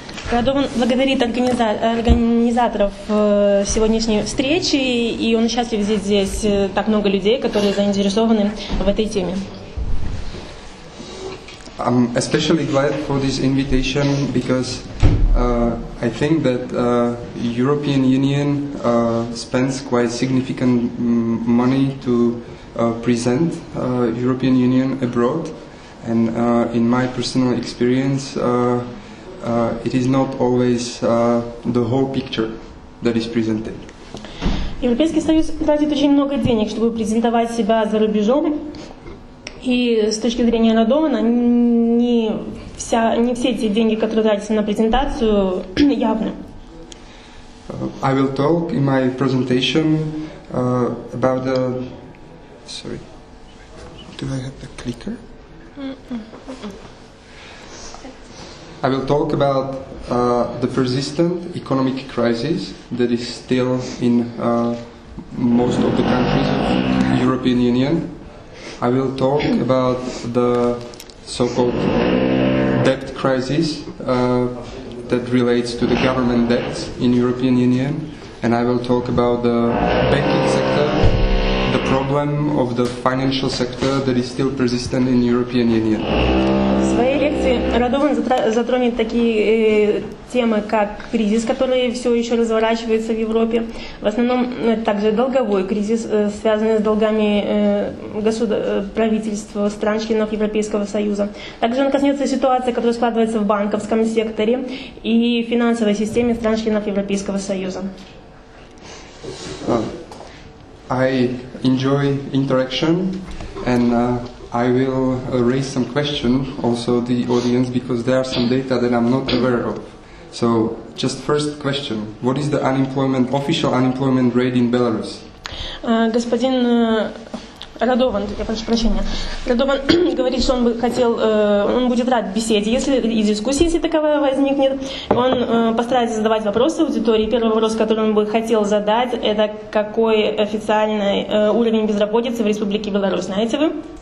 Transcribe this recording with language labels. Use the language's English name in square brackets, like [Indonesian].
[Russian] Радован благодарит организаторов сегодняшней встречи, и он счастлив видеть здесь так много людей, которые заинтересованы в этой теме. [English] I'm especially glad for this invitation because I think that European Union spends quite significant money to present European Union abroad, and in my personal experience, it is not always the whole picture that is presented. [Russian] Европейский Союз тратит очень много денег, чтобы презентовать себя за рубежом, и с точки зрения Радована не все эти деньги, которые тратятся на презентацию, явны. [English] I will talk in my presentation about the... Sorry. Do I have the clicker? Mm-mm. I will talk about the persistent economic crisis that is still in most of the countries of the European Union. I will talk about the so-called debt crisis that relates to the government debts in European Union, and I will talk about the banking sector, the problem of the financial sector that is still persistent in European Union. [Russian] В своей лекции Радован затронет такие темы, как кризис, который все еще разворачивается в Европе, в основном также долговой кризис, связанный с долгами правительств стран-членов Европейского Союза. Также он коснется ситуации, которая складывается в банковском секторе и финансовой системе стран-членов Европейского Союза. [English] I enjoy interaction and I will raise some questions also to the audience because there are some data that I'm not aware of. So, just first question. What is the unemployment, official unemployment rate in Belarus? [Russian] Господин Радован, я прошу прощения. Радован говорит, что он бы хотел, он будет рад беседе, если и дискуссии, если таковая возникнет. Он постарается задавать вопросы аудитории. Первый вопрос, который он бы хотел задать, это какой официальный уровень безработицы в Республике Беларусь, знаете вы?